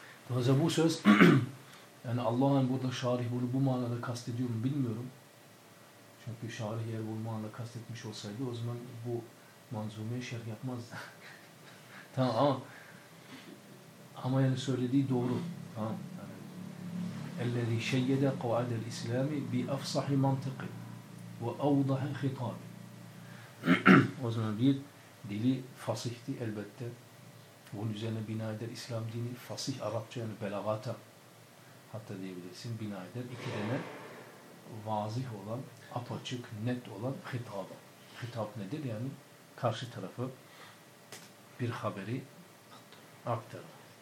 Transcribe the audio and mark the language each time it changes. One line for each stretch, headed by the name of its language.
Turkish: Dolayısıyla bu söz yani Allah'ın burada şarih bunu bu manada kastediyor mu bilmiyorum. Çünkü şarih yer bu manada kastetmiş olsaydı o zaman bu manzumeye şerh yapmazdı. Tamam ama yani söylediği doğru. Tamam.
Arabic: اَلَّذ۪ي شَيَّدَ قَوَعَدَ الْاِسْلَامِ بِأَفْصَحِ مَنْتِقِ وَاَوْضَحِ خِطَابِ
Turkish: O zaman bir dili fasihti elbette. Bunun üzerine bina eder İslam dini. Fasih Arapça yani belagata hatta diyebilirsin bina eder. İki tane vazih olan, apaçık, net olan hitaba. Hitap nedir? Yani karşı tarafı bir haberi aktarır.